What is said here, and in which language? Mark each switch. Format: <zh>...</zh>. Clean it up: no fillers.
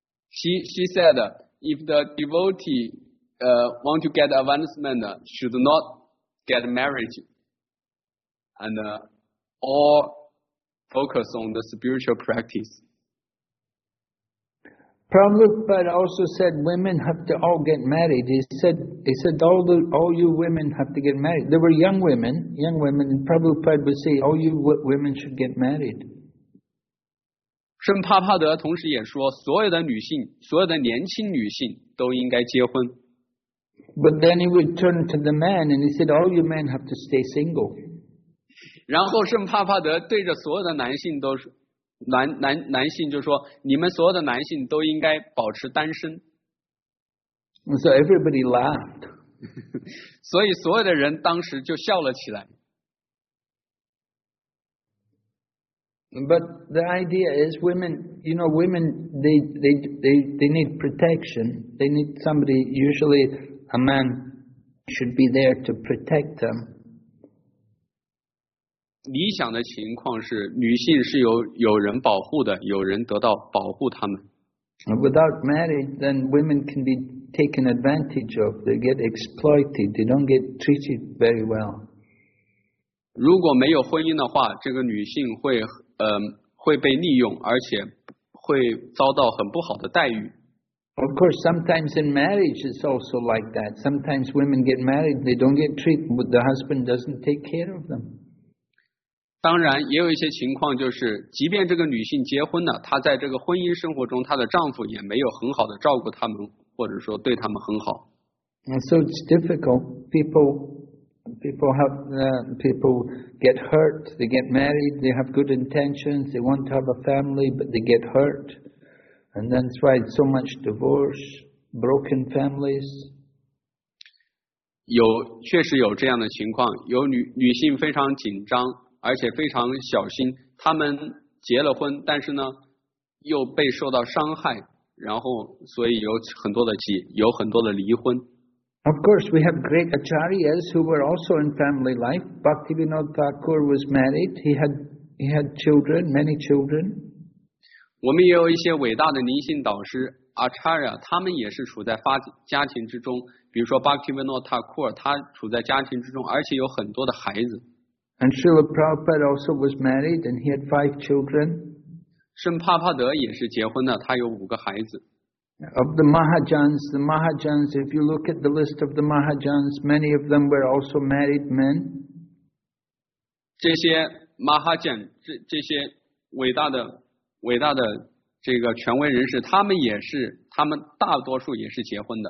<en>She said, if the devotee want to get advancement, should not get married, and all focus on the spiritual practice. Prabhupada also said women have to all get married. He said all you women have to get married. There were young women, and Prabhupada would say, all you women should get married.</en> <zh>圣帕帕德同时也说，所有的女性，所有的年轻女性都应该结婚。</zh> <en>But then he would turn to the man and he said, "All you men have to stay single."</en> <zh>然后圣帕帕德对着所有的男性就说，你们所有的男性都应该保持单身。</zh> <en>And so everybody laughed.</en> <zh>所以所有的人当时就笑了起来。</zh> <en>But the idea is women, you know, women, they need protection. They need somebody, usually a man should be there to protect them.</en> <zh>理想的情况是女性是有人保护的，有人得到保护他们。</zh> <en>Without marriage, then women can be taken advantage of. They get exploited. They don't get treated very well.</en> <zh>如果没有婚姻的话，这个女性会会被利用，而且会遭到很不好的待遇。</zh> <en>Of course, sometimes in marriage it's also like that. Sometimes women get married, they don't get treated, the husband doesn't take care of them.</en> <zh>当然，也有一些情况就是，即便这个女性结婚了，她在这个婚姻生活中，她的丈夫也没有很好的照顾她们，或者说对她们很好。</zh> <en>And so it's difficult. People get hurt, they get married, they have good intentions, they want to have a family, but they get hurt. And that's why so much divorce, broken families.</en> <zh>有，确实有这样的情况，有女性非常紧张，而且非常小心，她们结了婚，但是呢，又被受到伤害，然后所以有很多的离婚。</zh> <en>Of course, we have great acharyas who were also in family life. Bhaktivinoda Thakur was married. He had children, many children.</en> <zh>我们也有一些伟大的灵性导师 acharya, 他们也是处在家庭之中。比如说 Bhaktivinoda Thakur, 他处在家庭之中，而且有很多的孩子。</zh> <en>And Srila Prabhupada also was married, and he had five children.</en> <zh>圣帕帕德也是结婚的，他有五个孩子。</zh> <en>Of the Mahajans, if you look at the list of the Mahajans, many of them were also married men.</en> <zh>这些 Mahajan, 这些伟大的这个权威人士，他们也是，他们大多数也是结婚的。</zh>